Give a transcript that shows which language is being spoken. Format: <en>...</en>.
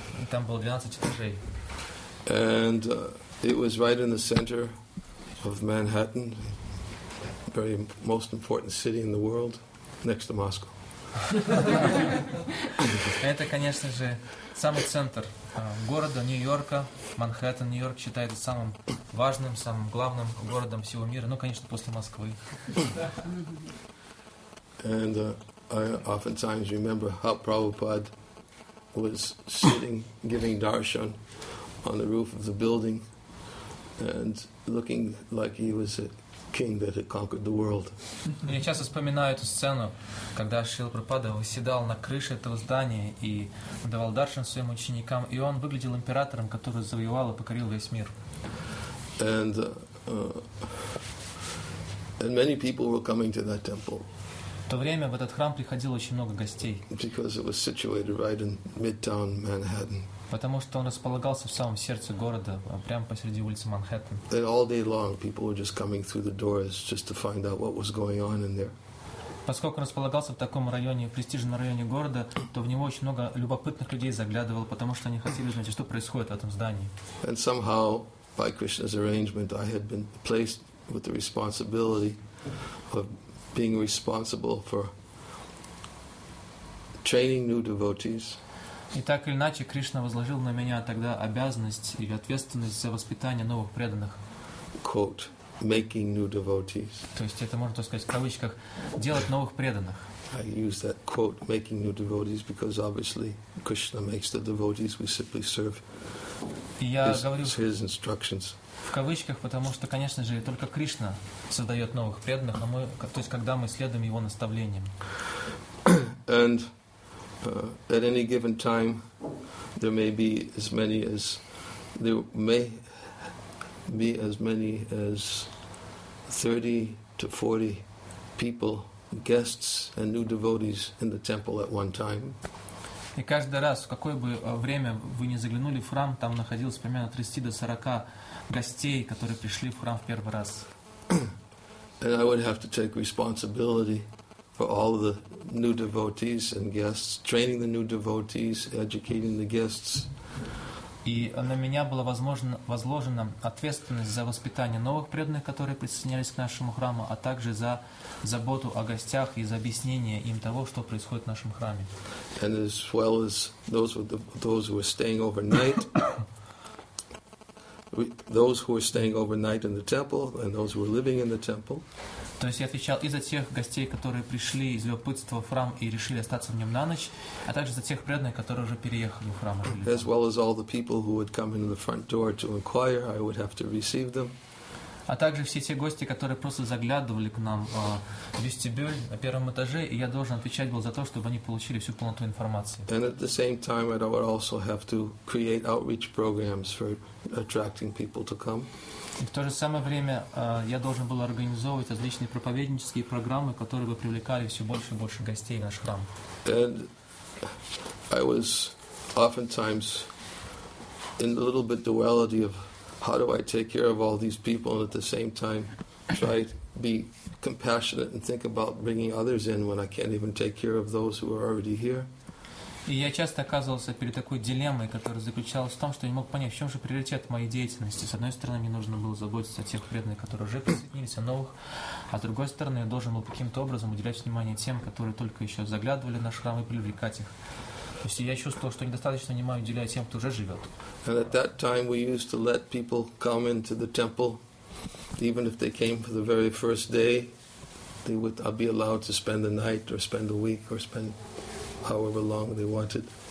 <ru>Там было 12 этажей.</ru> <en>And it was right in the center of Manhattan, very most important city in the world, next to Moscow.</en> <ru>Это, конечно же, самый центр города Нью-Йорка, Манхэттен. Нью-Йорк считается самым важным, самым главным городом всего мира. Ну, конечно, после Москвы.</ru> <en>And I oftentimes remember how Prabhupada was sitting, giving darshan on the roof of the building, and looking like he was a king that had conquered the world.</en> <ru>Я часто вспоминаю эту сцену, когда Шрила Прабхупада восседал на крыше этого здания и давал даршан своим ученикам, и он выглядел императором, который завоевал и покорил весь мир.</ru> <en>And many people were coming to that temple.</en> <ru>В то время в этот храм приходило очень много гостей.</ru> <en>Because it was situated right in midtown Manhattan.</en> <ru>Потому что он располагался в самом сердце города, прямо посреди улицы Манхэттен.</ru> <en>And all day long people were just coming through the doors just to find out what was going on in there.</en> <ru>Поскольку располагался в таком районе, престижном районе города, то в него очень много любопытных людей заглядывало, потому что они хотели знать, что происходит в этом здании.</ru> <en>And somehow, by Krishna's arrangement, I had been placed with the responsibility of being responsible for training new devotees.</en> <ru>И так или иначе, Кришна возложил на меня тогда обязанность или ответственность за воспитание новых преданных.</ru> <en>Quote. Making new devotees.</en> <ru>То есть это можно сказать в кавычках делать новых преданных.</ru> <en>I use that quote making new devotees because obviously Krishna makes the devotees. We simply serve his instructions.</en> <ru>В кавычках, потому что, конечно же, только Кришна создает новых преданных, а мы, то есть когда мы следуем его наставлениям.</ru> <en>And at any given time there may be as many as there may be as many as 30 to 40 people, guests and new devotees in the temple at one time.</en> <ru>И каждый раз, в какое бы время вы ни заглянули в храм, там находилось примерно 30 до 40 гостей, которые пришли в храм в первый раз.</ru> <en>And I would have to take responsibility for all of the new devotees and guests, training the new devotees, educating the guests.</en> <ru>И на меня была возложена ответственность за воспитание новых преданных, которые присоединялись к нашему храму, а также за заботу о гостях и за объяснение им того, что происходит в нашем храме.</ru> <en>And as well as those who are staying overnight, those who are staying overnight in the temple and those who are living in the temple.</en> <ru>То есть я отвечал и за тех гостей, которые пришли из любопытства в храм и решили остаться в нем на ночь, а также за тех преданных, которые уже переехали в храм.</ru> <en>As well as all the people who would come into the front door to inquire, I would have to receive them.</en> <ru>А также все те гости, которые просто заглядывали к нам в вестибюль на первом этаже, и я должен отвечать был за то, чтобы они получили всю полноту информации.</ru> <en>And at the same time, I would also have to create outreach programs for attracting people to come.</en> <ru>И в то же самое время я должен был организовывать различные проповеднические программы, которые бы привлекали все больше и больше гостей в наш храм.</ru> <en>And I was oftentimes in a little bit duality of how do I take care of all these people and at the same time try to be compassionate and think about bringing others in when I can't even take care of those who are already here.</en> <ru>И я часто оказывался перед такой дилеммой, которая заключалась в том, что я не мог понять, в чем же приоритет моей деятельности. С одной стороны, мне нужно было заботиться о тех преданных, которые уже присоединились, о новых, а с другой стороны, я должен был каким-то образом уделять внимание тем, которые только еще заглядывали в наш храм и привлекать их. То есть я чувствовал, что недостаточно внимания уделяю тем, кто уже живет.</ru> <en>And at that time we used to let people come into the temple, even if they came for the very first day, they would be allowed to spend the night or spend a week or spend however long they wanted.</en>